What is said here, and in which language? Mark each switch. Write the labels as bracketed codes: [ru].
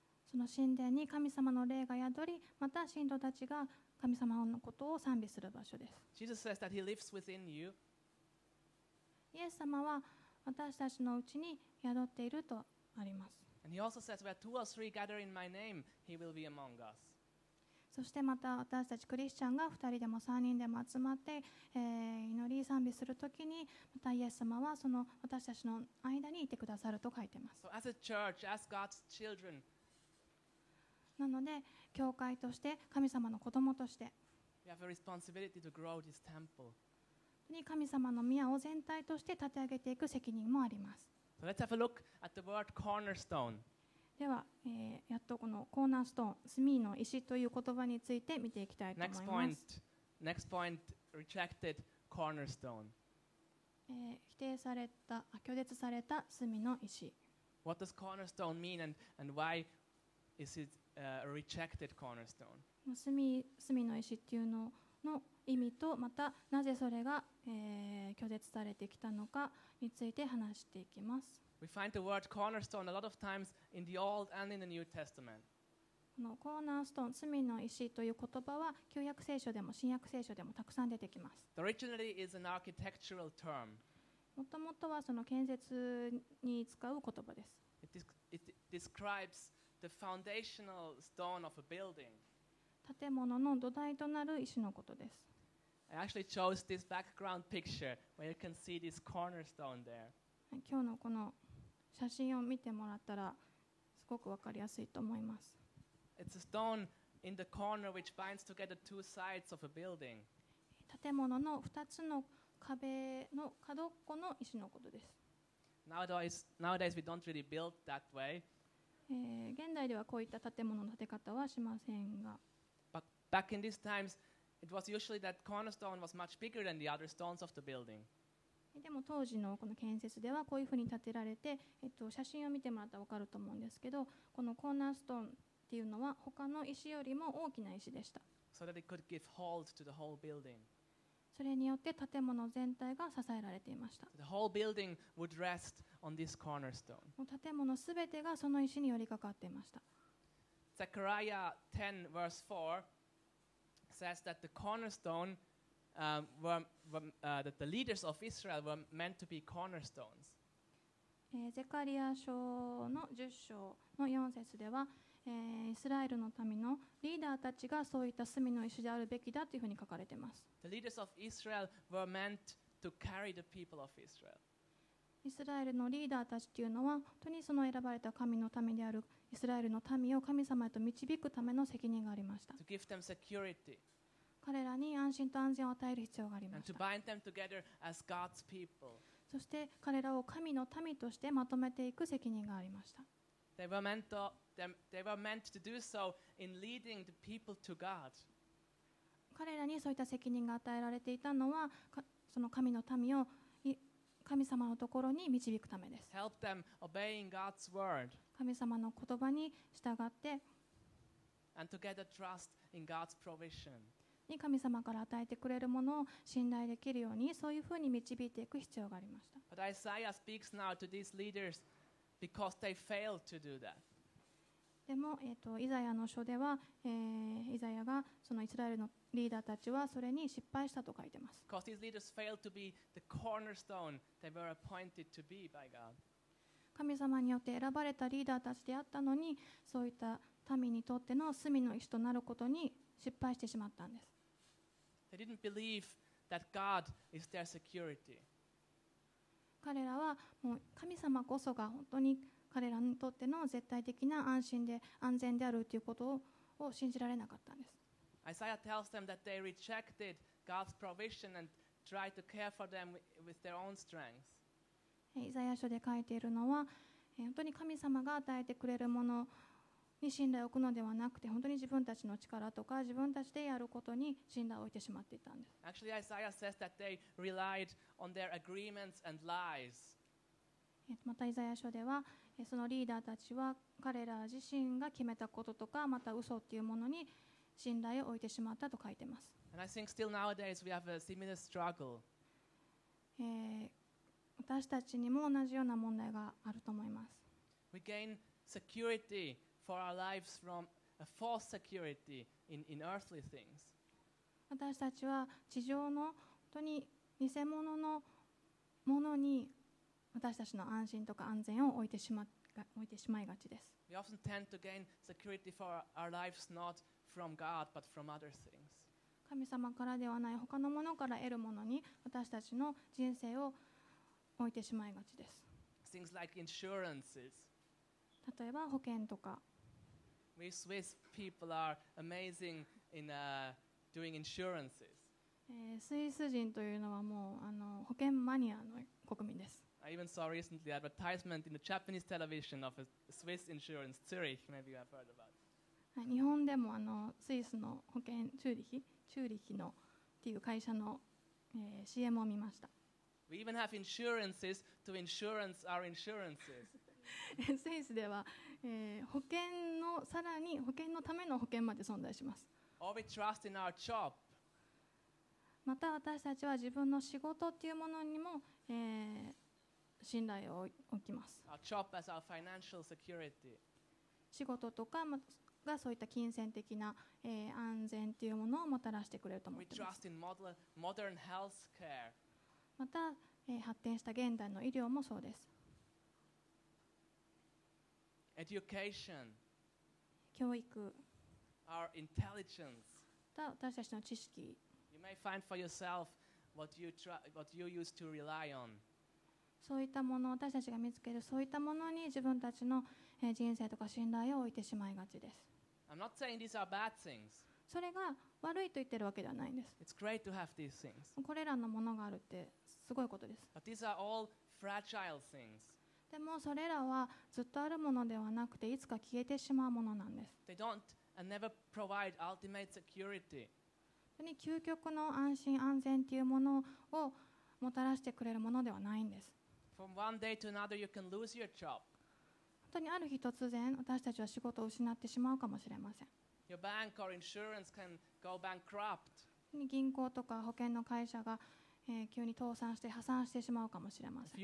[ja] その神殿に神様の霊が宿り、また信徒たちが神様のことを賛美する場所です。 [en] Jesus says that he lives within you. [ja] イエス様は私たちのうちに宿っているとあります。 [en] And he also says, where two or three gather in my name, he will be among us. [ja] そしてまた私たちクリスチャンが2人でも3人でも集まって、祈り賛美するときに、またイエス様はその私たちの間にいてくださると書いてます。 [en] So as a church, as God's children, [ja] なので教会として神様の子供として神様の宮を全体として立て上げていく責任もあります。 [en] So let's have a look at the word cornerstone. [ja] では、やっとこのコーナーストーン、隅の石という言葉について見ていきたいと思います。 [en] Next point, rejected cornerstone. [ja] 否定された、拒絶された隅の石。 [en] What does cornerstone mean and why is itA rejected cornerstone. [ja] 隅の石っていうのの意味と、またなぜそれが、拒絶されてきたのかについて話していきます。 [en] We find the word cornerstone a lot of times in the Old and in the New Testament. [ja] このコーナーストーン、隅の石という言葉は旧約聖書でも新約聖書でもたくさん出てきます。 [en] The originally is an architectural term. [ja] もともとはその建設に使う言葉です。 [en] It describes the foundational stone of a building. [ja] 建物の土台となる石のことです。 [en] I actually chose this background picture where you can see this cornerstone there. [ja] 今日のこの写真を見てもらったらすごくわかりやすいと思います。 [en] It's a stone in the corner which binds together two sides of a building. [ja] 建物の2つの壁の角っこの石のことです。 [en] Nowadays we don't really build that way. [ja] 現代ではこういった建物の建て方はしませんが。 [en] But back in these times, it was usually that cornerstone was much bigger than the other stones of the building. [ja] でも当時のこの建設ではこういうふうに建てられて、写真を見てもらったら分かると思うんですけど、このコーナーストーンっていうのは他の石よりも大きな石でした。 [en] So that it could give hold to the whole building. [ja] それによって建物全体が支えられていました。 [en] The whole building would rest on this cornerstone. [ja] 建物すべてがその石に寄りかかっていました。 [en] Zechariah 10 verse 4 says that the cornerstone that the leaders of Israel were meant to be cornerstones. [ja] ゼカリア書の10章の4節では、イスラエルの民のリーダーたちがそういった隅の石であるべきだというふうに書かれています。 [en] The leaders of Israel were meant to carry the people of Israel. [ja] イスラエルのリーダーたちというのは本当にその選ばれた神の民であるイスラエルの民を神様へと導くための責任がありました。 [en] To give them security. [ja] 彼らに安心と安全を与える必要がありました。 [en] And to bind them together as God's people. [ja] そして彼らを神の民としてまとめていく責任がありました。 [en] They were meant to do so in leading the people to God. [ja] 彼らにそういった責任が与えられていたのは、その神の民を神様のところに導くためです。 [en] Help them obeying God's word. [ja] 神様の言葉に従って、 [en] and together trust in God's provision. [ja] に神様から与えてくれるものを信頼できるようにそういうふうに導いていく必要がありました。 [en] But Isaiah speaks now to these leaders because they failed to do that. [ja] でも、イザヤの書では、イザヤがそのイスラエルのリーダーたちはそれに失敗したと書いてます。 [en] Because these leaders failed to be the cornerstone they were appointed to be by God. [ja] 神様によって選ばれたリーダーたちであったのに、そういった民にとっての住の石となることに失敗してしまったんです。 [en] They didn't believe that God is their security. [ja] 彼らはもう神様こそが本当に彼らにとっての絶対的な安心で安全であるということを信じられなかったんです。 [en] Isaiah tells them that they rejected God's provision and tried to care for them with their own strength. [ja] イザヤ書で書いているのは、本当に神様が与えてくれるものに信頼を置くのではなくて、本当に自分たちの力とか自分たちでやることに信頼を置いてしまっていたんです。 [en] Actually, Isaiah says that they relied on their agreements and lies. [ja] またイザヤ書ではそのリーダーたちは彼ら自身が決めたこととかまた嘘っていうものに信頼を置いてしまったと書いてます。 [en] And I think still nowadays we have a similar struggle. [ja] 私たちにも同じような問題があると思います。 [en] We gain security for our lives from a false security in earthly things. [ja] 私たちは地上の本当に偽物のものに私たちの安心とか安全を置いてしまいがちです。 [en] We often tend to gain security for our lives not from God, but from other things. [ja] 神様からではない他のものから得るものに私たちの人生を置いてしまいがちです。 [en] Things like insurances. [ja] 例えば保険とか。 [en] We Swiss people are amazing in doing insurances. [ja] スイス人というのはもう保険マニアの国民です。 [en] I even saw recently advertisement in the Japanese television of a Swiss insurance, Zurich. Maybe you have heard about. [ja] 日本でもスイスの保険チューリヒのっていう会社の、CM を見ました。 [en] We even have insurances to insurance our insurances. [ja] スイスでは、保険のさらに保険のための保険まで存在します。 [en] Or we trust in our job. [ja] また私たちは自分の仕事っていうものにも。信頼を置きます。 [en] Our job as our financial security. [ja] 仕事とかがそういった金銭的な、安全というものをもたらしてくれると思っています [en] 。We trust in modern healthcare. [ja] また、発展した現代の医療もそうです。 [en] Education. [ja] 教育。 [en] Our intelligence. [ja] また私たちの知識。 [en] You may find for yourself what you used to rely on. [ja] そういったものを私たちが見つけるそういったものに自分たちの人生とか信頼を置いてしまいがちです。 [en] I'm not saying these are bad things. [ja] それが悪いと言ってるわけではないんです。 [en] It's great to have these things. [ja] これらのものがあるってすごいことです。 [en] But these are all fragile things. [ja] でもそれらはずっとあるものではなくていつか消えてしまうものなんです。 [en] They don't and never provide ultimate security. [ja] 本当に究極の安心安全っていうものをもたらしてくれるものではないんです。 [en] From one day to another, you can lose your job. [ja] 本当にある日突然私たちは仕事を失ってしまうかもしれません。 [en] Your bank or insurance can go bankrupt. [ja] 銀行とか保険の会社が、急に倒産して破産してしまうかもしれません。